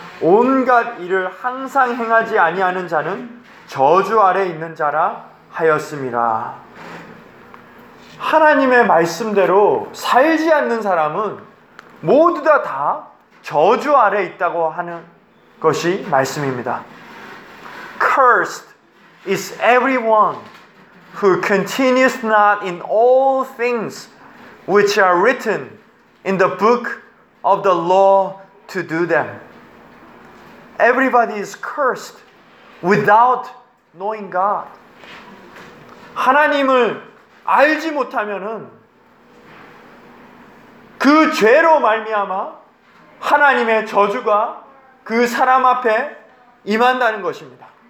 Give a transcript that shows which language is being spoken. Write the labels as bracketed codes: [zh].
[ko] 온갖 일을 항상 행하지 아니하는 자는 저주 아래 있는 자라 하였습니다. 하나님의 말씀대로 살지 않는 사람은 모두 다 저주 아래 있다고 하는 것이 말씀입니다. [en] Cursed is everyone who continues not in all things which are written in the book of the law to do them. Everybody is cursed without knowing God. [ko] 하나님을 알지 못하면은 그 죄로 말미암아 하나님의 저주가 그 사람 앞에 임한다는 것입니다.